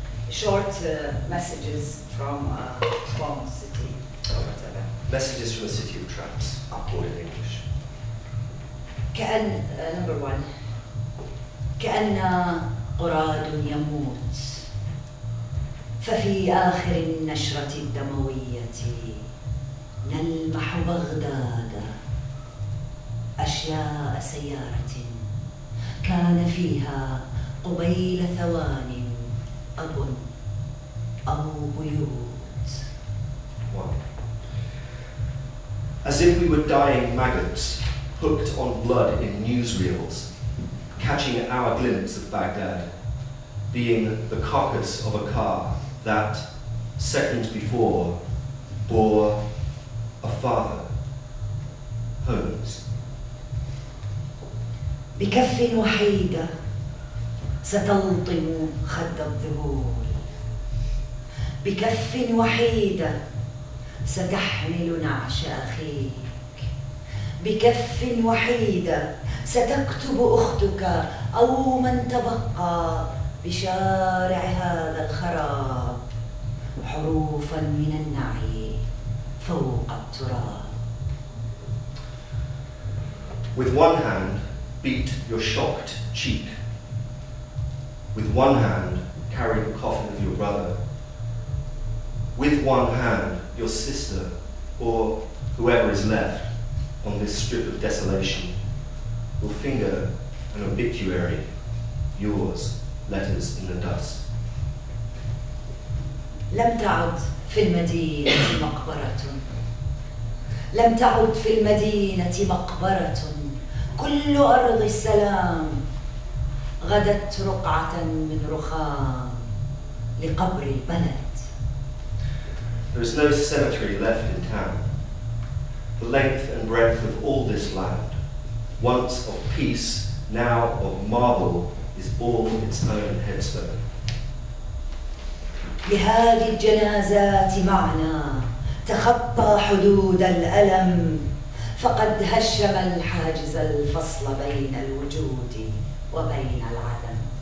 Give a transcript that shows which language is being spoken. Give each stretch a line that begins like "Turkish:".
English: Short messages from a bomb city or whatever. Messages from a city of traps, or in English. Number one.
Arabic: كأن قراد يموت ففي آخر النشرة الدموية نلمح بغداد أشياء سيارة كان فيها قبيل ثوان أب أو بيوت.
English: As if we were dying maggots hooked on blood in newsreels, catching our glimpse of Baghdad, being the carcass of a car that, seconds before, bore a father, Holmes.
Arabic: بكف وحيدة ستلطم خد الذهول بكف وحيدة ستحمل نعش أخيك بكف وحيدة ستكتب أختك أو من تبقى بشارع هذا الخراب حروفا من النعي فوق التراب.
English: With one hand beat your shocked cheek. With one hand carry the coffin of your brother. With one hand your sister, or whoever is left on this strip of desolation, will finger an obituary, yours, letters in the dust.
Arabic: لم تعد في المدينة مقبرة لم تعد في المدينة مقبرة كل أرض السلام غدت رقعة من رخام لقبر البلد.
English: There is no cemetery left in town. The length and breadth of all this land, once of peace, now of marble, is all its own headstone.
Arabic: بهذه الجنازات معنا تخطى حدود الألم فقد هشم الحاجز الفصل بين الوجود وبين العدم.